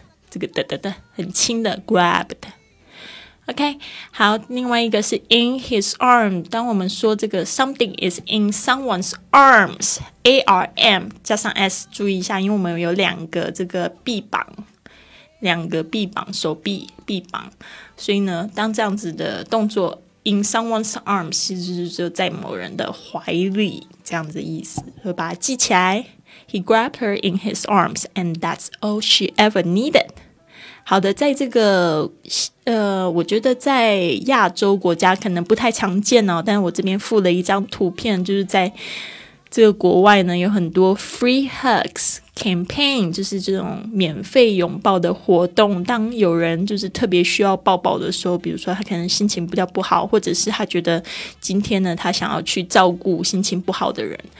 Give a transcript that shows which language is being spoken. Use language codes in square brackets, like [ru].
[zh] 这个得得得很轻的 grabbed， OK， 好，另外一个是 [en] in his arm， [zh] 当我们说这个 [en] something is in someone's arms， [zh] A-R-M 加上 S， 注意一下，因为我们有两个这个臂膀，两个臂膀，手臂臂膀，所以呢当这样子的动作 [en] in someone's arms， [zh] 其实就是在某人的怀里这样子的意思，所以把它记起来。 [en] He grabbed her in his arms and that's all she ever needed。 [zh] 好的，在这个我觉得在亚洲国家可能不太常见哦，但我这边附了一张图片，就是在这个国外呢有很多 [en] free hugs campaign， [zh] 就是这种免费拥抱的活动，当有人就是特别需要抱抱的时候，比如说他可能心情比较不好，或者是他觉得今天呢他想要去照顾心情不好的人，